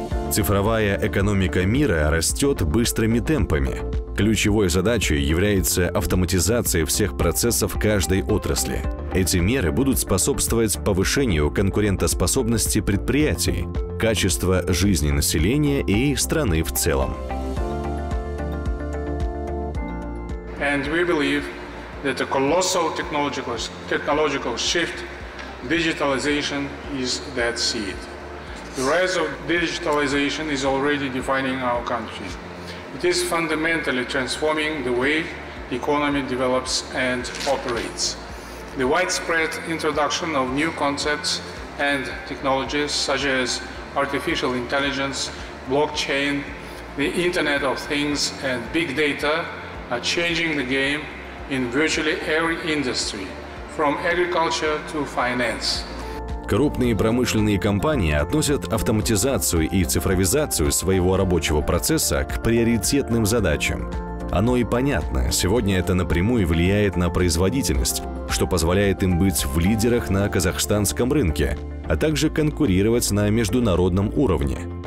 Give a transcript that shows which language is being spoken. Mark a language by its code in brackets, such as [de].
[ru] Цифровая экономика мира растет быстрыми темпами. Ключевой задачей является автоматизация всех процессов каждой отрасли. Эти меры будут способствовать повышению конкурентоспособности предприятий, качества жизни населения и страны в целом. [en] And we believe that a colossal technological shift, digitalization, is that seed. The rise of digitalization is already defining our country. It is fundamentally transforming the way the economy develops and operates. The widespread introduction of new concepts and technologies such as artificial intelligence, blockchain, the Internet of Things, and big data are changing the game in virtually every industry, from agriculture to finance. [ru] Крупные промышленные компании относят автоматизацию и цифровизацию своего рабочего процесса к приоритетным задачам. Оно и понятно, сегодня это напрямую влияет на производительность, что позволяет им быть в лидерах на казахстанском рынке, а также конкурировать на международном уровне.